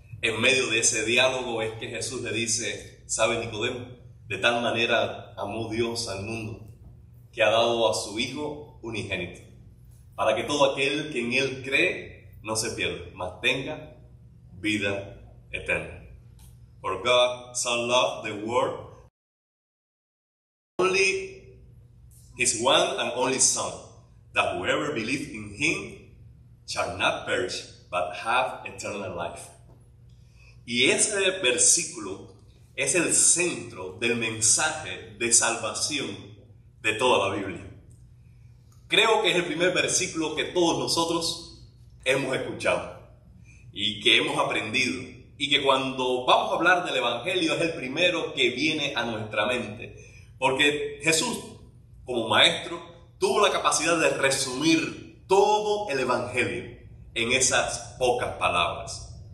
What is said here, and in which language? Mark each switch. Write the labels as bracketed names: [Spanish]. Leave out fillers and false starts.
[Spanish] En medio de ese diálogo es que Jesús le dice: ¿sabe, Nicodemo? De tal manera amó Dios al mundo que ha dado a su Hijo unigénito, para que todo aquel que en Él cree no se pierda, mas tenga vida eterna. [English] For God so loved the world, only His one and only Son, that whoever believes in Him shall not perish, but have eternal life. [Spanish] Y ese versículo es el centro del mensaje de salvación de toda la Biblia. Creo que es el primer versículo que todos nosotros hemos escuchado y que hemos aprendido, y que cuando vamos a hablar del Evangelio es el primero que viene a nuestra mente, porque Jesús, como maestro, tuvo la capacidad de resumir todo el Evangelio en esas pocas palabras.